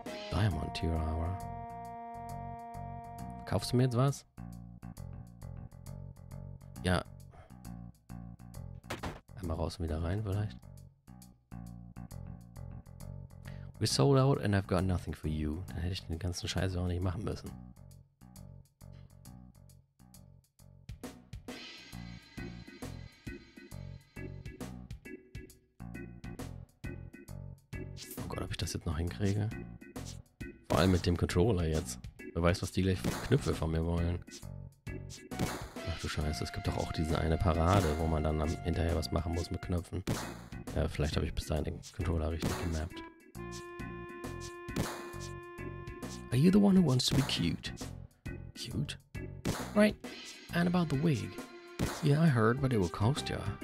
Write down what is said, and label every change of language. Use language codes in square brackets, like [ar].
[en] Diamond Tier Hour. [de] Kaufst du mir jetzt was? Ja. Mal raus und wieder rein, vielleicht. [en] We sold out and I've got nothing for you. [de] Dann hätte ich den ganzen Scheiß auch nicht machen müssen. Oh Gott, ob ich das jetzt noch hinkriege? Vor allem mit dem Controller jetzt. Wer weiß, was die gleich für Knöpfe von mir wollen. Scheiße, es gibt doch auch diese eine Parade, wo man dann hinterher was machen muss mit Knöpfen. Ja, vielleicht habe ich bis dahin den Controller richtig gemappt. [en] Are you the one who wants to be cute? Cute? Right. And about the wig. Yeah, I heard, but it will cost ya.